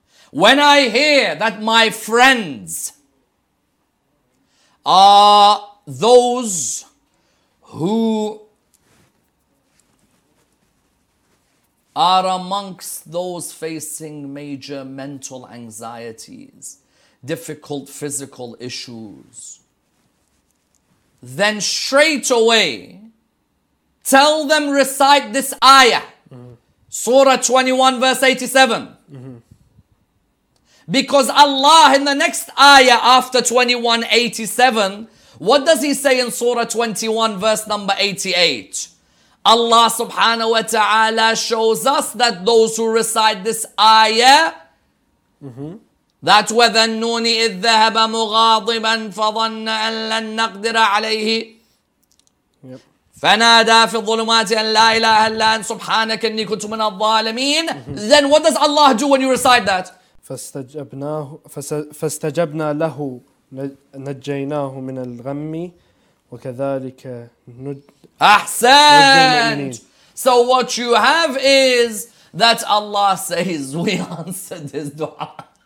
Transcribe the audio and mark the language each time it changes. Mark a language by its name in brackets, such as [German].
[English] When I hear that my friends are those who are amongst those facing major mental anxieties, difficult physical issues, then straight away tell them, recite this ayah, mm-hmm. Surah 21, verse 87. Mm-hmm. Because Allah, in the next ayah after 21:87, what does he say in Surah 21, verse number 88? Allah subhanahu wa ta'ala shows us that those who recite this ayah, that [Arabic] وَذَنُّونِ إِذْ ذَهَبَ مُغَاضِبًا فَظَنَّ أَن لَن نَقْدِرَ عَلَيْهِ فَنَادَى فِي الظُّلُمَاتِ أَن لَا إِلَهَ إِلَّا أَنْتَ سُبْحَانَكَ إِنِّي كُنْتُ مِنَ الظَّالِمِينَ. [English] Then what does Allah do when you recite that? [Arabic] فَاسْتَجَبْنَا لَهُ نَجَّيْنَاهُ مِنَ الْغَمِّ وَكَذَلِكَ أَحْسَنْتُ. [English] So what you have is that Allah says, we answered his dua.